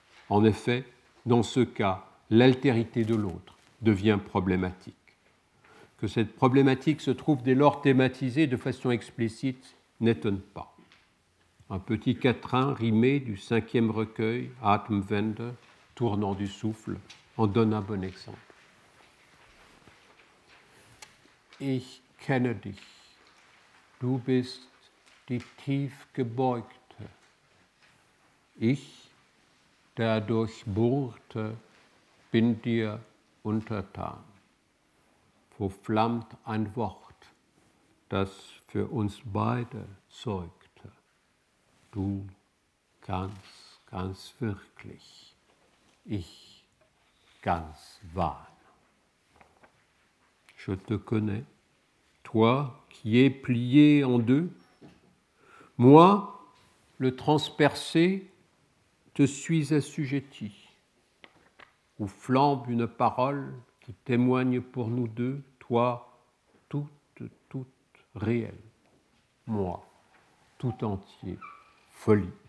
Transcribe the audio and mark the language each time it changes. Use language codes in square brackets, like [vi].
[fr] En effet, dans ce cas, l'altérité de l'autre devient problématique. Que cette problématique se trouve dès lors thématisée de façon explicite n'étonne pas. un petit quatrain rimé du cinquième recueil, Atemwende, Tournant du souffle, en donne un bon exemple. [de] Ich kenne dich, du bist die Tiefgebeugte, ich, der Durchbohrte, bin dir untertan. Wo flammt ein Wort, das für uns beide zeugte, du ganz, ganz wirklich, ich ganz wahr. [fr] Je te connais, toi qui es plié en deux, moi, le transpercé, te suis assujetti, où flambe une parole qui témoigne pour nous deux, toi, toute, toute réelle, moi, tout entier, folie.